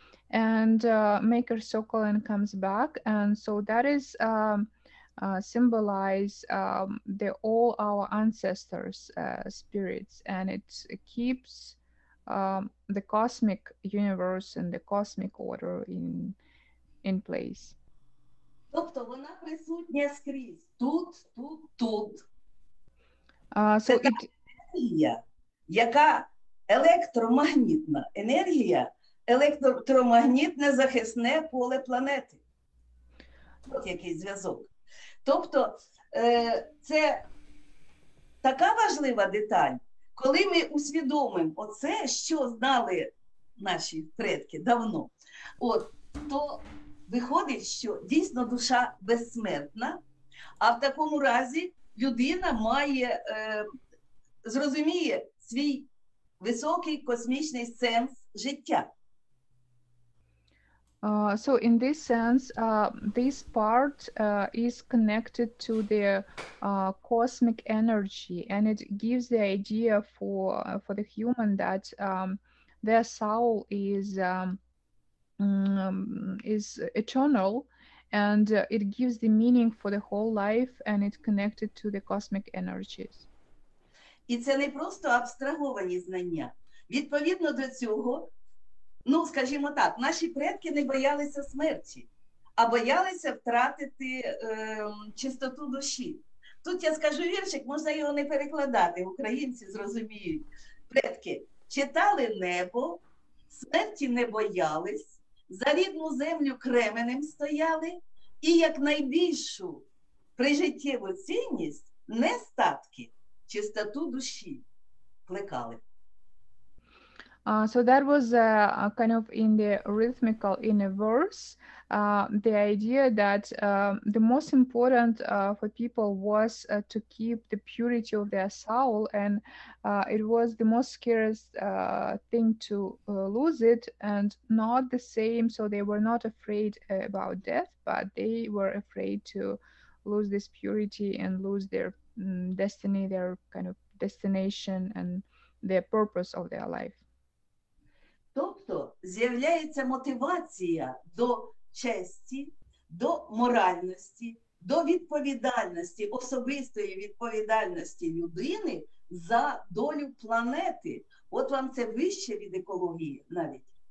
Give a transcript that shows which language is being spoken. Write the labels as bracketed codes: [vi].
[en] And make a circle and comes back, and so that is symbolize the all our ancestors' spirits, and it keeps the cosmic universe and the cosmic order in place. [uk] Тобто вона присутня скрізь тут. [en] So [uk] енергія, яка електромагнітна енергія. Електромагнітне захисне поле планети. От який зв'язок. Тобто, це така важлива деталь, коли ми усвідомимо оце, що знали наші предки давно, от, то виходить, що дійсно душа безсмертна, а в такому разі людина має, зрозуміє свій високий космічний сенс життя. [en] So in this sense, this part is connected to the cosmic energy, and it gives the idea for the human that their soul is eternal, and it gives the meaning for the whole life, and it's connected to the cosmic energies. [uk] І це не просто абстраговані знання. Відповідно до цього, ну, скажімо так, наші предки не боялися смерті, а боялися втратити чистоту душі. Тут я скажу віршик, можна його не перекладати, українці зрозуміють. Предки читали небо, смерті не боялись, за рідну землю кременем стояли і як найбільшу прижиттєву цінність, нестатки, чистоту душі плекали. [en] So that was kind of in the rhythmical in a verse, the idea that the most important for people was to keep the purity of their soul, and it was the most scariest thing to lose it, and not the same, so they were not afraid about death, but they were afraid to lose this purity and lose their destiny, their kind of destination and their purpose of their life. [uk] Тобто з'являється мотивація до честі, до моральності, до відповідальності, особистої відповідальності людини за долю планети. От вам це вище від екології навіть.